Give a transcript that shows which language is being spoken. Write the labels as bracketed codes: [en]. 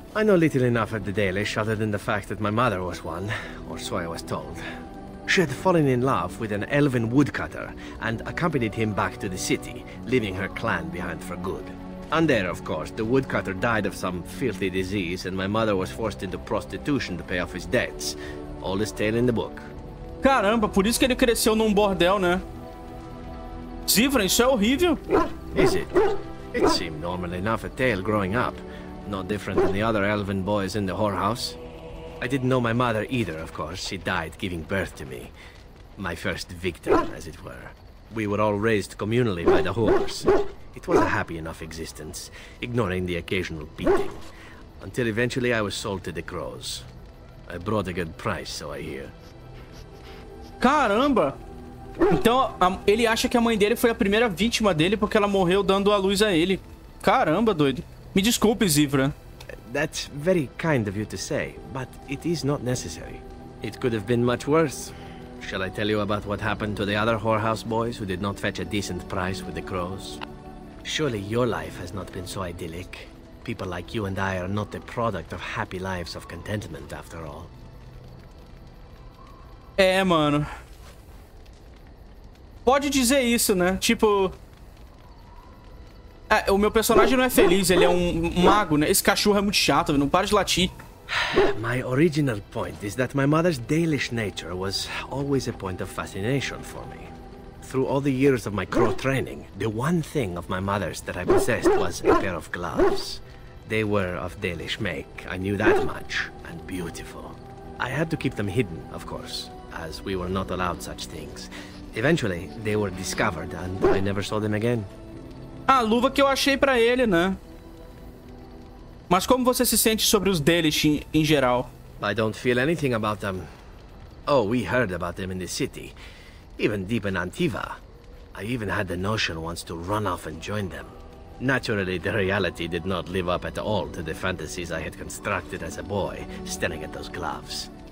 [en] I know little enough of the Dalish other than the fact that my mother was one, or so I was told. She had fallen in love with an elven woodcutter and accompanied him back to the city, leaving her clan behind for good. And there, of course, the woodcutter died of some filthy disease and my mother was forced into prostitution to pay off his debts. All is tale in the book. [pt] Caramba, por isso que ele cresceu num bordel, né? Zivran, isso é horrível. [en] Is it? It seemed normal enough a tale growing up, no different than the other elven boys in the whorehouse. I didn't know my mother either, of course. She died giving birth to me. My first victim, as it were. We were all raised communally by the whores. It was a happy enough existence, ignoring the occasional beating. Until eventually I was sold to the crows. I brought a good price, so I hear. [pt] Caramba! Então, ele acha que a mãe dele foi a primeira vítima dele porque ela morreu dando a luz a ele. Caramba, doido. Me desculpe, Zivra. [en] That's very kind of you to say, but it is not necessary. It could have been much worse. Shall I tell you about what happened to the other whorehouse boys who did not fetch a decent price with the crows? Surely your life has not been so idyllic. People like you and I are not the product of happy lives of contentment, after all. [pt] É, mano. Pode dizer isso, né? Tipo... É, o meu personagem não é feliz, ele é um mago, né? Esse cachorro é muito chato, não para de latir. [en] My original point is that my mother's dalish nature was always a point of fascination for me. Through all the years of my crow training, the one thing of my mother's that I possessed was a pair of gloves. They were of dalish make, I knew that much, and beautiful. I had to keep them hidden, of course, as we were not allowed such things. Eventually, they were discovered and I never saw them again. [pt] A luva que eu achei pra ele, né? Mas como você se sente sobre os deles em geral? [en] I don't feel anything about them. Oh, we heard about them in the city. Even deep in Antiva. I even had the notion once to run off and join them. Naturally, the reality did not live up at all to the fantasies I had constructed as a boy, staring at those gloves.